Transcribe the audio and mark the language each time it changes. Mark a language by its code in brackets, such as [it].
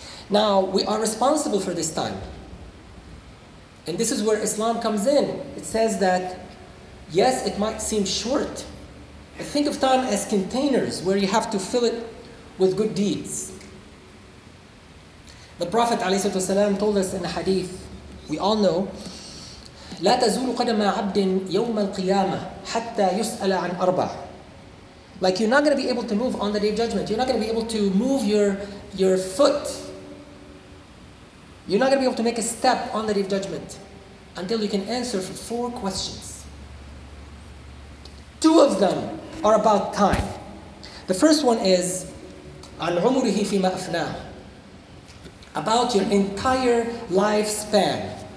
[en] Now, we are responsible for this time. And this is where Islam comes in. It says that yes, it might seem short. But think of time as containers where you have to fill it with good deeds. [ar] The Prophet ﷺ told us in a hadith, we all know, لَا تَزُولُ قَدَمَا عَبْدٍ يَوْمَ الْقِيَامَةِ حَتَّى يُسْأَلَ عَنْ أَرْبَعٍ. [en] Like you're not going to be able to move on the Day of Judgment. You're not going to be able to move your foot. You're not going to be able to make a step on the Day of Judgment until you can answer for 4 questions. Two of them are about time. The first one is [ar] عَنْ عُمُرِهِ فِي مَأْفْنَاهُ, [en] about your entire lifespan.